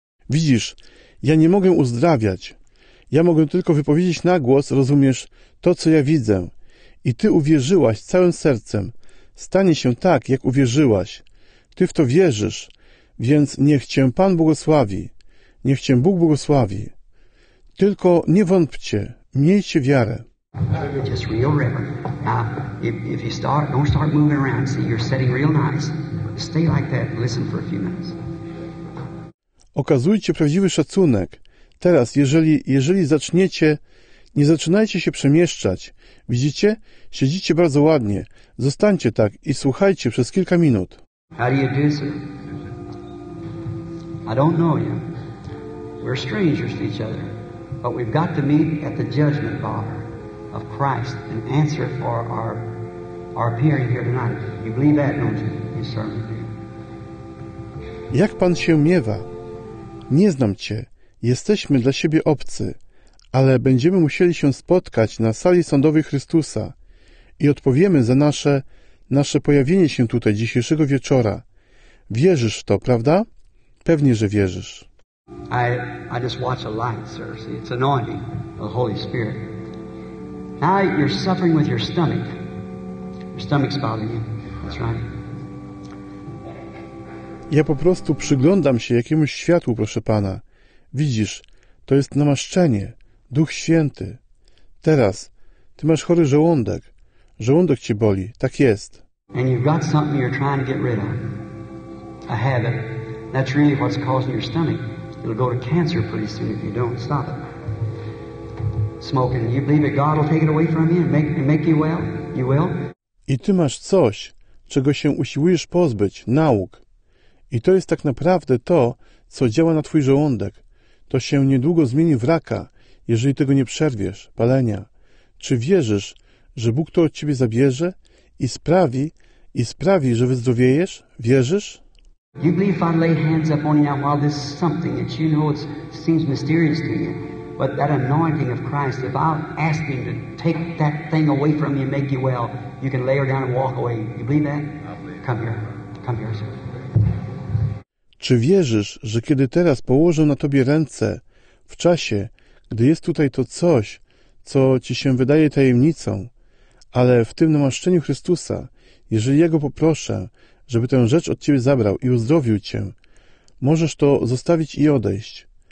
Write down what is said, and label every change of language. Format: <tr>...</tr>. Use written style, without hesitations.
<pl>Widzisz, ja nie mogę uzdrawiać. Ja mogę tylko wypowiedzieć na głos, rozumiesz, to, co ja widzę. I ty uwierzyłaś całym sercem. Stanie się tak, jak uwierzyłaś. Ty w to wierzysz. Więc niech cię Pan błogosławi. Niech cię Bóg błogosławi. Tylko nie wątpcie. Miejcie wiarę.</pl> <en>Just real reverent. Now, if you start, don't start moving around. See, you're sitting real nice. Stay like that. Listen for a few minutes.</en> <pl>Okazujcie prawdziwy szacunek. Teraz, jeżeli zaczniecie, nie zaczynajcie się przemieszczać. Widzicie? Siedzicie bardzo ładnie. Zostańcie tak i słuchajcie przez kilka minut.</pl> <en>How do you do, sir? I don't know you. We're strangers to each other. But we've got to meet at the judgment bar of Christ and answer for our appearing here tonight. You believe that, don't you? You certainly do.</en> <pl>Jak pan się miewa? Nie znam cię. Jesteśmy dla siebie obcy, ale będziemy musieli się spotkać na sali sądowej Chrystusa i odpowiemy za nasze pojawienie się tutaj dzisiejszego wieczora. Wierzysz w to, prawda? Pewnie, że wierzysz.</pl> <en>I just watch a light, sir. See, it's anointing the Holy Spirit. Now you're suffering with your stomach. Your stomach's bothering you. That's right.</en> <pl>Ja po prostu przyglądam się jakiemuś światłu, proszę pana. Widzisz, to jest namaszczenie, Duch Święty. Teraz, ty masz chory żołądek. Żołądek cię boli, tak jest.</pl> <en>And you've got something you're trying to get rid of. A habit. That's really what's causing your stomach. It'll go to cancer pretty soon if you don't stop it. Smoking. You believe that God will take it away from you and make you well? You will?</en> <pl>I ty masz coś, czego się usiłujesz pozbyć, nauk. I to jest tak naprawdę to, co działa na twój żołądek. To się niedługo zmieni w raka, jeżeli tego nie przerwiesz, palenia. Czy wierzysz, że Bóg to od ciebie zabierze i sprawi, że wyzdrowiejesz? Wierzysz?</pl> <en>You believe if I lay hands up on you while this something that you know seems mysterious to you, but that anointing of Christ, if I ask him to take that thing away from you and make you well, you can lay her down and walk away. You believe that? I believe. Come here, sir.</en> <pl>Czy wierzysz, że kiedy teraz położę na tobie ręce, w czasie, gdy jest tutaj to coś, co ci się wydaje tajemnicą, ale w tym namaszczeniu Chrystusa, jeżeli ja go poproszę, żeby tę rzecz od ciebie zabrał i uzdrowił cię, możesz to zostawić i odejść.</pl>